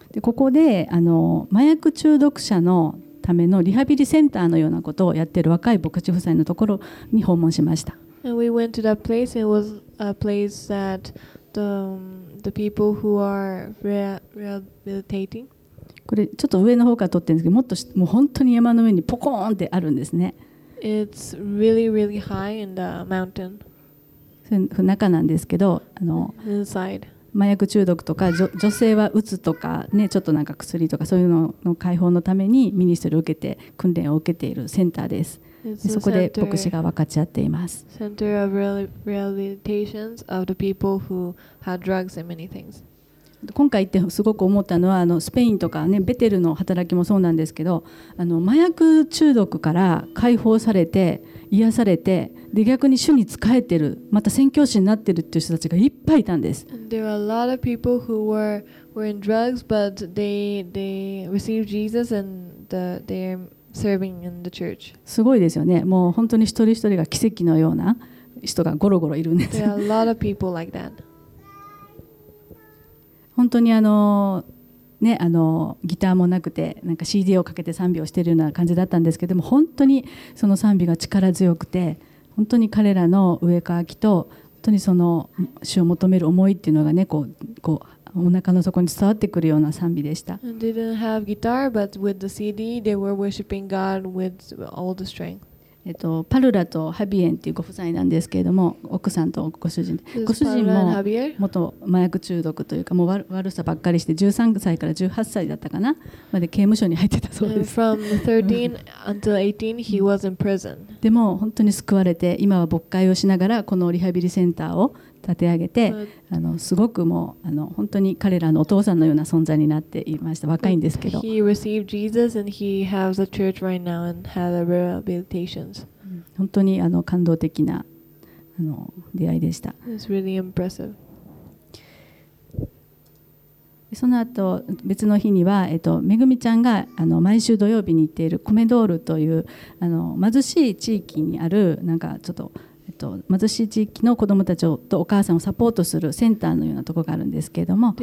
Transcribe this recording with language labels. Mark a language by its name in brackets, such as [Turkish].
[Japanese] でここであの麻薬中毒者のためのリハビリセンターのようなことをやっている若い牧師夫妻のところに訪問しました。 [English] And we went to that place. It was a place that the people who are rehabilitating. [Japanese] これちょっと上の方から撮ってるんですけど、もっともう本当に山の上にポコーンってあるんですね。 [English] It's really, really high in the mountain. [Japanese] 中なんですけど、 [English] Inside. [Japanese] 麻薬中毒とか女性は鬱とかね、ちょっとなんか薬とかそういうのの解放のためにミニストリーを受けて訓練を受けているセンターです。でそこで牧師が分かち合っています。 [English] Center of rehabilitations of the people who had drugs and many things. [Japanese] 今回行ってすごく思ったのは、スペインとか、ね、ベテルの働きもそうなんですけど、麻薬中毒から解放されて癒されて、で逆に主に仕えてる、また宣教師になってるっていう人たちがいっぱいいたんです。 [English] There are a lot of people who were in drugs but they received Jesus and they are serving in the church. [Japanese] すごいですよね。もう本当に一人一人が奇跡のような人がゴロゴロいるんです。 [English] There are a lot of people like that. [Japanese] 本当にね、ギターもなくてなんか CD をかけて賛美をしているような感じだったんですけども、本当にその賛美が力強くて、本当に彼らの植え替えと本当にその主を求める思いっていうのがね、こうお腹の底に伝わってくるような賛美でした。 [English] They didn't have guitar, but with the CD, they were worshiping God with all the strength. [Japanese] パルラとハビエンというご夫妻なんですけれども、奥さんとご主人、ご主人も元麻薬中毒というかもう悪さばっかりして13歳から18歳だったかなまで刑務所に入ってたそうです。 [English] From 13 until 18 he was in prison. [Japanese] でも本当に救われて、今は牧会をしながらこのリハビリセンターを立て上げて、すごくもう本当に彼らのお父さんのような存在になっていました。若いんですけど。 [English] He received Jesus and he has a church right now and had a rehabilitations. [Japanese] 本当に感動的な出会いでした。 [English] It's really impressive. [Japanese] その後別の日には、めぐみちゃんが毎週土曜日に行っているコメドールという貧しい地域にあるなんかちょっと貧しい地域の子どもたちとお母さんをサポートするセンターのようなところがあるんですけれども、